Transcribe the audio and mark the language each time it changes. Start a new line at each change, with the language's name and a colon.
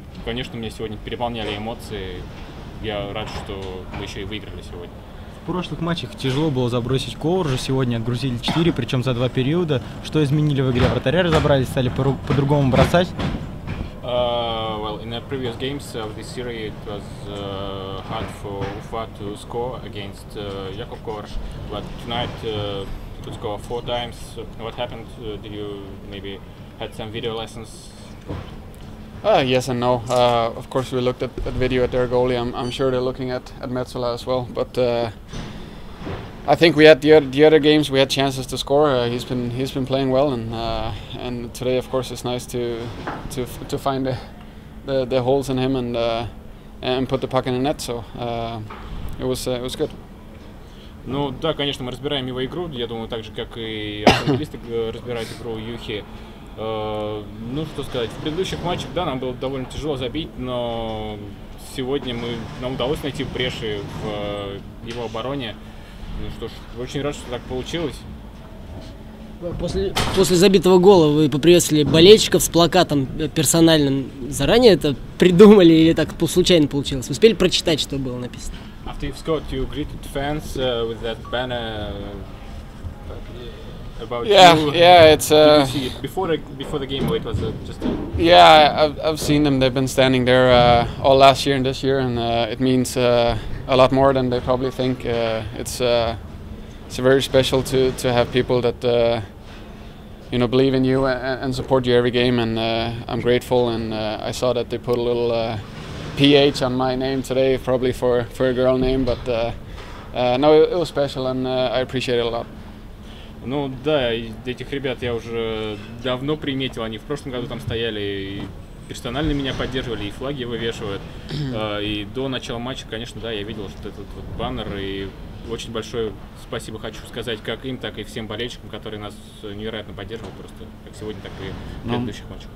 Russian: Конечно, мне сегодня переполняли эмоции. Я рад, что мы еще и выиграли сегодня. В прошлых матчах тяжело было забросить коврижу. Сегодня отгрузили 4, причем за 2 периода. Что изменили в игре? Вратаря разобрались, стали по-другому бросать?
English: Well, in the previous games of this series it was hard for Ufa to score against Jakub Kovarž. But tonight to score 4 times. What happened? Did you maybe had some video lessons? Yes and no. Of course we looked at video at their goalie. I'm sure they're looking at Metsola as well. But I think we had the other games we had chances to score. He's been playing well, and today of course it's nice to find the holes in him and put the puck in the net. So it was good.
Russian: Ну да, конечно, мы разбираем его игру, я думаю, так же, как и автомобилисты разбирают игру Юхи. Ну что сказать, в предыдущих матчах, да, нам было довольно тяжело забить, но сегодня нам удалось найти бреши в его обороне. Ну что ж, очень рад, что так получилось. После забитого гола вы поприветствовали болельщиков с плакатом персональным. Заранее это придумали или так случайно получилось? Вы успели прочитать, что было написано?
English: After you've scored, you greeted fans with that banner about yeah, you. Yeah, it's did you see it before the game, or it was just a yeah. I've seen them. They've been standing there all last year and this year, and it means a lot more than they probably think. It's very special to have people that you know believe in you and support you every game, and I'm grateful. And I saw that they put a little PH on my name today, probably for a girl name, but no, it was special, and I appreciate it a lot.
Russian: Ну да, этих ребят я уже давно приметил, они в прошлом году там стояли и персонально меня поддерживали, и флаги вывешивают, и до начала матча, конечно, да, я видел, что этот вот баннер, и очень большое спасибо хочу сказать как им, так и всем болельщикам, которые нас невероятно поддерживают просто как сегодня, так и в предыдущих матчах.